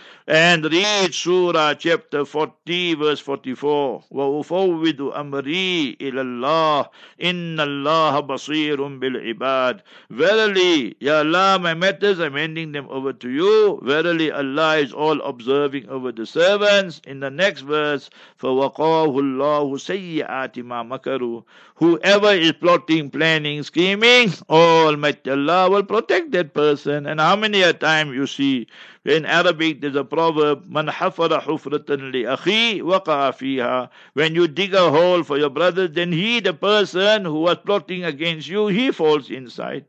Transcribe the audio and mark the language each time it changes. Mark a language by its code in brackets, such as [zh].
[en] And read Surah chapter 40, verse 44. [ar] وَأُفَوِّدُ أَمْرِي إِلَى اللَّهِ إِنَّ اللَّهَ بَصِيرٌ بِالْعِبَادِ. [en] Verily, Ya Allah, my matters, I'm handing them over to you. Verily, Allah is all observing over the servants. In the next verse, [ar] فَوَقَاهُ اللَّهُ سَيِّئَاتِ مَا مَكَرُوا. [en] Whoever is plotting, planning, scheming, Almighty Allah will protect that person. And how many a time you see, in Arabic, there's a proverb, [ar] Man hafara hufratan li akhi waqa'a fiha. [en] When you dig a hole for your brother, then he, the person who was plotting against you, he falls inside.